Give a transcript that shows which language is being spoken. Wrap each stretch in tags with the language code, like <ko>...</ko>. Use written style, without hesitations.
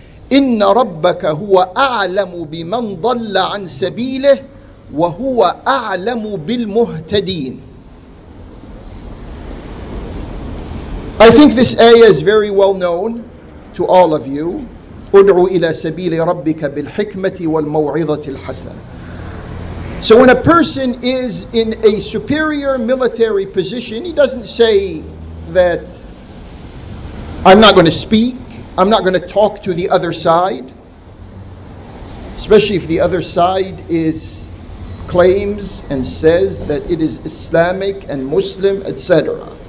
<ar>إن ربك هو أعلم بمن ضل عن سبيله وهو أعلم بالمهتدين.</ar> <en>I think this ayah is very well known to all of you.</en> <ar>أدعو إلى سبيل ربك بالحكمة والموعظة الحسنة.</ar> <en>So when a person is in a superior military position, he doesn't say that I'm not going to speak, I'm not going to talk to the other side, especially if the other side is claims and says that it is Islamic and Muslim, etc.</en>